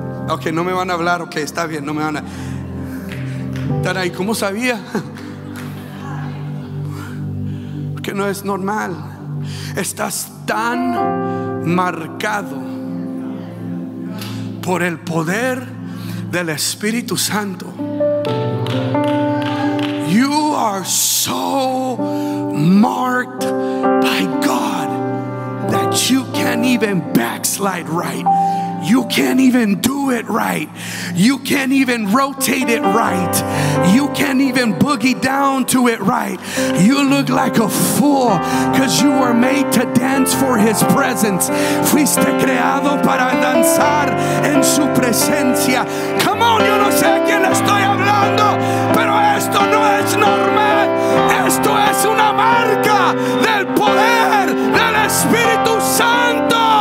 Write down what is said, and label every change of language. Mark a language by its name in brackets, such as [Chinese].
[Spanish] Ok, no me van a hablar, ok, está bien, no me van a... Están ahí, ¿cómo sabía? Porque no es normal. Estás tan marcado por el poder del Espíritu Santo. [English] You are so marked by God that you can't even backslide right. You can't even do it right. You can't even rotate it right. You can't even boogie down to it right. You look like a fool because you were made to dance for His presence. [Spanish] Fuiste creado para danzar en su presencia. Come on, yo no sé a quién estoy hablando, pero esto no es normal. Esto es una marca del poder del Espíritu Santo.